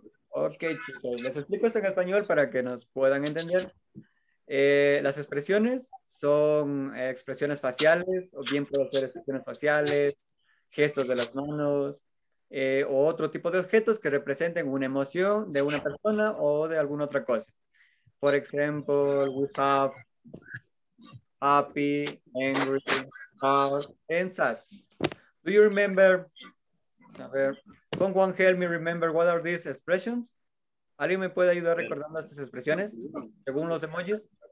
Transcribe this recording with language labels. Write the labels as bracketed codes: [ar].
[es] Okay, chicos, les explico esto en español para que nos puedan entender. Las expresiones son expresiones faciales, o bien puede ser expresiones faciales, gestos de las manos, o otro tipo de objetos que representen una emoción de una persona o de alguna otra cosa. [en] For example, we have happy, angry, sad, and sad. Do you remember? [es] A ver, [en] someone help me remember what are these expressions? [es] ¿Alguien me puede ayudar recordando estas expresiones según los emojis?